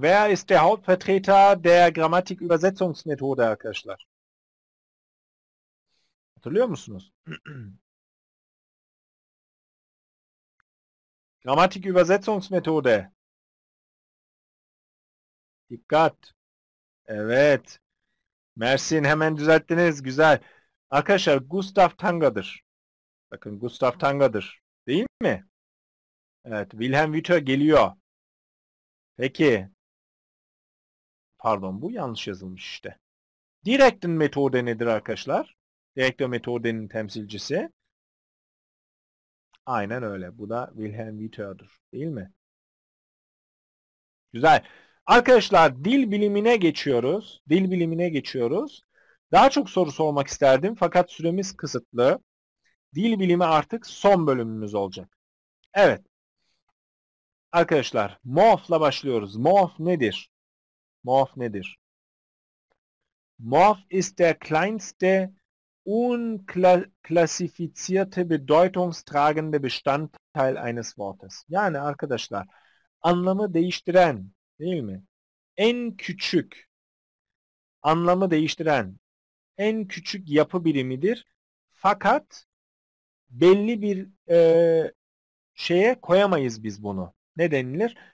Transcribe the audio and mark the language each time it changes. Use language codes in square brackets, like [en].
[de] Wer ist der Hauptvertreter der Grammatik-Übersetzungsmethode [tr] arkadaşlar? Hatırlıyor musunuz? [de] Grammatik-Übersetzungsmethode. [tr] Dikkat. Evet. Mersin, hemen düzelttiniz. Güzel. Arkadaşlar Gustav Tanga'dır. Bakın Gustav Tanga'dır. Değil mi? Evet. Wilhelm Wüther geliyor. Peki. Pardon, bu yanlış yazılmış işte. Direkten metode nedir arkadaşlar? Direkte metodenin temsilcisi. Aynen öyle. Bu da Wilhelm Wüther'dır. Değil mi? Güzel. Arkadaşlar dil bilimine geçiyoruz. Dil bilimine geçiyoruz. Daha çok soru sormak isterdim fakat süremiz kısıtlı. Dil bilimi artık son bölümümüz olacak. Evet. Arkadaşlar morf'la başlıyoruz. Morf nedir? Morf nedir? [de] Morf ist der kleinste unklassifizierte bedeutungstragende Bestandteil eines Wortes. [tr] Yani arkadaşlar anlamı değiştiren, değil mi? En küçük anlamı değiştiren en küçük yapı birimidir. Fakat belli bir şeye koyamayız biz bunu. Ne denilir?